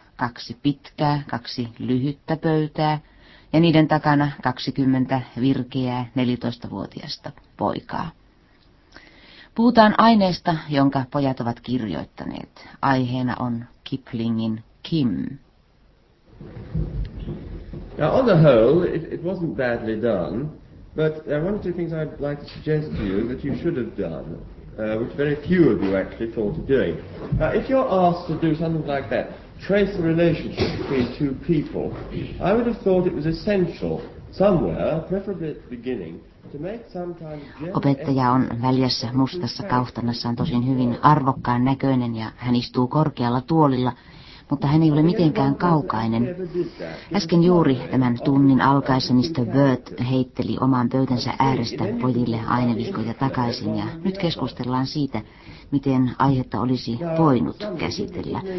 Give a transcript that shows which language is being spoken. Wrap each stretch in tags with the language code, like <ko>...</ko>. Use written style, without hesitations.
<fi>kaksi pitkää, kaksi lyhyttä pöytää ja niiden takana 20 virkeää 14-vuotiasta poikaa. Puhutaan aineesta, jonka pojat ovat kirjoittaneet. Aiheena on Kiplingin Kim.</fi> <en>Now on the whole, it wasn't badly done, but there are one or two things I'd like to suggest to you that you should have done, which very few of you actually thought of doing. Now, if you're asked to do something like that, trace the relationship between two people, I would have thought it was essential somewhere, preferably at the beginning, to make some kind of...</en> <fi>Opettaja on väljässä mustassa kaftanassaan, tosin hyvin arvokkaan näköinen, ja hän istuu korkealla tuolilla. Mutta hän ei ole mitenkään kaukainen. Äsken juuri tämän tunnin alkaessani Wirt heitteli oman pöytänsä äärestä pojille ainevihkoja takaisin, ja nyt keskustellaan siitä, miten aihetta olisi voinut käsitellä.</fi>